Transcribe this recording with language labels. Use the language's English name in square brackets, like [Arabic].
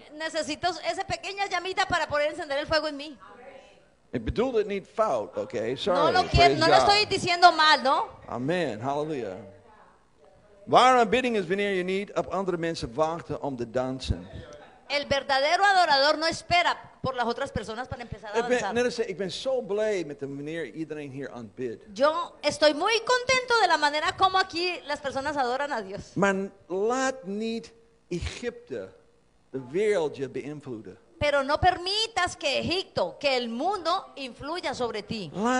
[Spanish] Necesito esa pequeña llamita para poder encender el fuego en mí. [Dutch] Ik bedoel het niet fout, okay? Sorry. [Spanish] No lo estoy diciendo mal, ¿no? Amen, hallelujah. [Dutch] Ware aanbidding is wanneer je niet op andere mensen wachten om te dansen. [Spanish] El verdadero adorador no espera por las otras personas para empezar a danzar. [Dutch] Ik ben zo blij met de manier iedereen hier aanbidt. [Spanish] Yo estoy muy contento de la manera como aquí las personas adoran a Dios. [Dutch] Maar laat niet Egypte de wereld je beïnvloeden. [Spanish] Pero no permitas que Egipto, que el mundo influya sobre ti.